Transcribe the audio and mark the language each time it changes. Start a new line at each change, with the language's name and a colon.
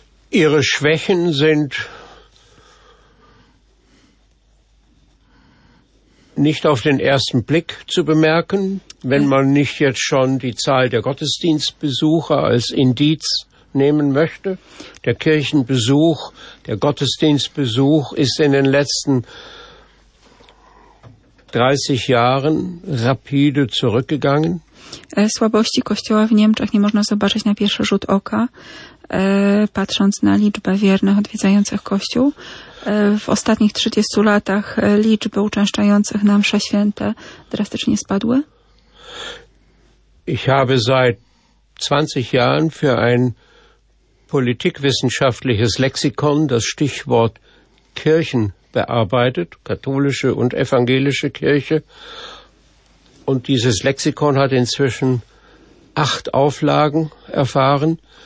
German: Ihre Schwächen sind nicht auf den ersten Blick zu bemerken, wenn man nicht jetzt schon die Zahl der Gottesdienstbesucher als Indiz nehmen möchte. Der Kirchenbesuch, der Gottesdienstbesuch ist in den letzten 30 Jahren rapide zurückgegangen.
Polish: Słabości Kościoła w Niemczech nie można zobaczyć na pierwszy rzut oka, patrząc na liczbę wiernych odwiedzających Kościół. W ostatnich 30 latach liczby uczęszczających na msze święte drastycznie spadły.
German: Ich habe seit 20 Jahren für ein politikwissenschaftliches Lexikon das Stichwort Kirchen bearbeitet, katholische und evangelische Kirche. Und dieses Lexikon hat inzwischen 8 Auflagen erfahren.